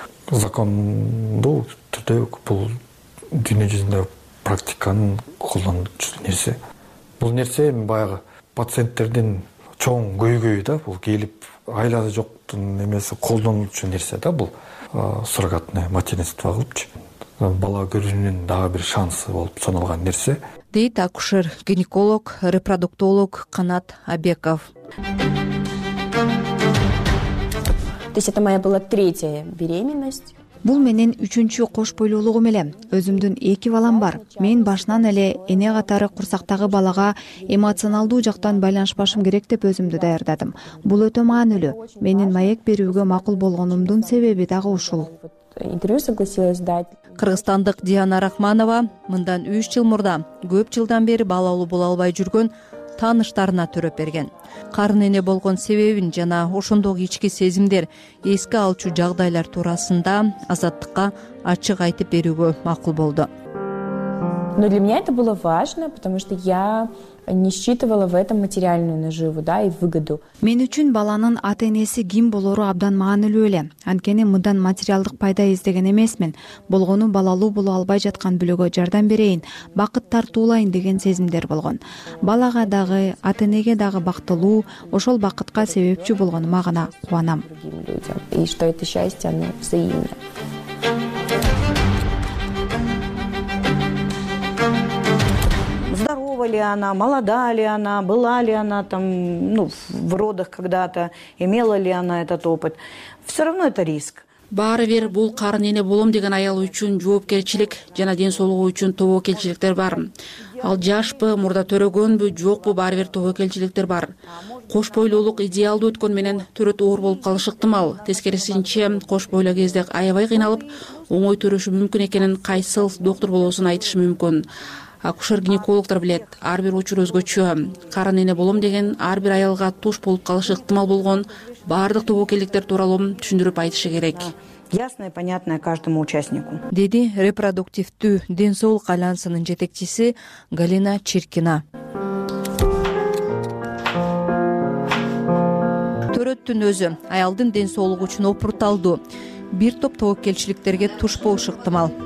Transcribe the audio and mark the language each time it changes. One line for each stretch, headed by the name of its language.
Kyrgyz: Закондуу түрдө бул дүйнө жүзүндө практиканын колдонулуучу нерсе. Бул нерсе эми баягы пациенттердин чоң көйгөйү да, бул келип айласы жоктун эмеси колдонулуучу нерсе да бул
Russian: суррогатное материнство
Kyrgyz: кылыпчы. Бала көрүүнүн дагы бир шансы болуп саналган нерсе. Дейт акушер, гинеколог, репродуктолог Канат Абеков.
Russian: То есть это моя была третья беременность.
Kyrgyz: Бул менин үчүнчү кош бойлуулугум эле. Өзүмдүн 2 балам бар. Мен башынан эле эне катары курсактагы балага эмоционалдуу жактан байланышпашым керек деп өзүмдү даярдадым. Бул өтө маанилүү. Менин маек берүүгө макул болгонумдун себеби дагы ушул.
Russian: Интервью согласилась дать.
Kyrgyz: Кыргызстандык Диана Рахманова мындан 3 жыл мурда көп жылдан бери балалуу боло албай жүргөн тааныштарына төрөп берген. Карын эне болгон себебин жана ошондогу ички сезимдер, эске алчу жагдайлар туурасында Азаттыкка ачык айтып берүүгө макул болду.
Russian: Но для меня это было важно, потому что я не считывала в этом материальную наживу, да, и выгоду.
Kyrgyz: Мен үчүн баланын ата-энеси ким болору абдан маанилүү эле. Анткени мындан материалдык пайда издеген эмесмин. Болгону балалуу боло албай жаткан бүлөгө жардам берейин, бакыт тартуулайын деген сезимдер болгон. Балага дагы, ата-энеге дагы бактылуу, ошол бакытка себепчи болгонума гана кубанам.
Russian: И что это счастье, оно взаимно. Здорова ли она, молода ли она, была ли она там, ну, в родах когда-то, имела ли она этот опыт. Все равно это риск.
Kyrgyz: Баары бир бул карын эне болом деген аял үчүн жоопкерчилик жана ден соолугу үчүн тобокелчиликтер бар. Ал жашпы, мурда төрөгөнбү, жокпу, баары бир тобокелчиликтер бар. Кош бойлуулук идеалдуу өткөн менен төрөт оор болуп калышы ыктымал. Тескерисинче, кош бойло кезде аябай кыйналып, оңой төрөшү мүмкүн экенин кайсыл доктур болосун айтышы мүмкүн. Акушер-гинекологтор билет, ар бир учур өзгөчө. Карын эне болом деген ар бир аялга туш болуп калышы ыктымал болгон баардык тобокелдиктер тууралуу түшүндүрүп айтышы керек.
Russian: Ясное и понятное каждому участнику.
Kyrgyz: Деди репродуктивдүү ден соолук альянсынын жетекчиси Галина Чиркина. Төрөттүн өзү аялдын ден соолугу үчүн опурталдуу. Бир топ тобокелчиликтерге туш болуш ыктымал.